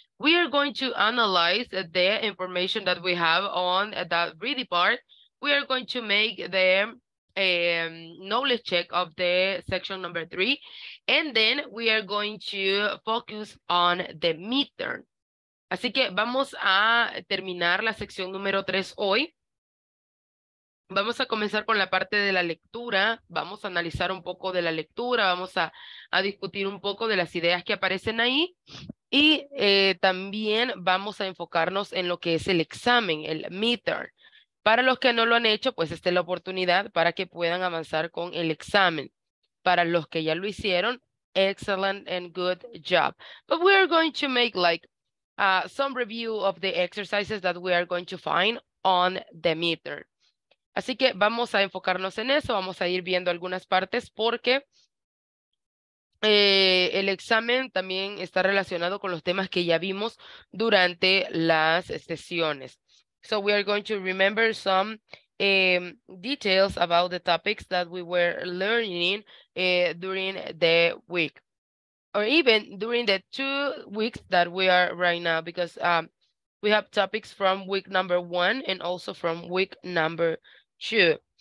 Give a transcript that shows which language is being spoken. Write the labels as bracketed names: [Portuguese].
[English] We are going to analyze the information that we have on that reading part. We are going to make the knowledge check of the section number three. And then we are going to focus on the midterm. [Spanish] Así que vamos a terminar la sección número 3 hoy. Vamos a comenzar con la parte de la lectura. Vamos a analizar un poco de la lectura. Vamos a discutir un poco de las ideas que aparecen ahí. Y también vamos a enfocarnos en lo que es el examen, el midterm. Para los que no lo han hecho, pues esta es la oportunidad para que puedan avanzar con el examen. Para los que ya lo hicieron, [English] excellent and good job. But we are going to make like some review of the exercises that we are going to find on the midterm. [Spanish] Así que vamos a enfocarnos en eso, vamos a ir viendo algunas partes porque el examen también está relacionado con los temas que ya vimos durante las sesiones. [English] So we are going to remember some details about the topics that we were learning during the week. Or even during the 2 weeks that we are right now, because we have topics from week number one and also from week number two.